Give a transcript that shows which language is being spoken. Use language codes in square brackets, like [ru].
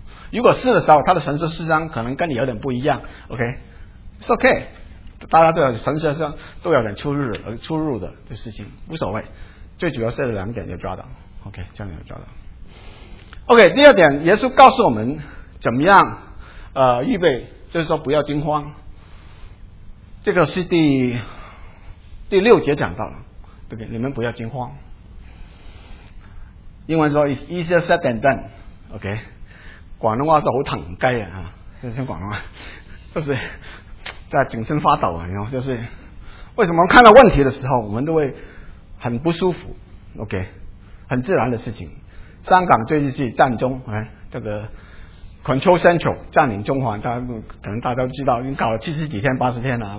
[zh] 如果是的时候，他的神学思想可能跟你有点不一样。OK， [en] It's OK， [zh] 大家都有神学上都有点出入的这事情无所谓，最主要是两点就抓到。OK， 这样就抓到。 OK， 第二点耶稣告诉我们怎么样预备，就是说不要惊慌，这个是第六节讲到了。 OK， 你们不要惊慌，英文说 [en] It's easier said than done。 [zh] OK， 广东话是好腾鸡啊，这是广东话，就是在谨慎发抖，然后就是为什么看到问题的时候，我们都会很不舒服。 OK， 很自然的事情。香港最近是占中，哎，这个 Control Central 占领中环，大家可能大家都知道，已经搞了70几天、80天了。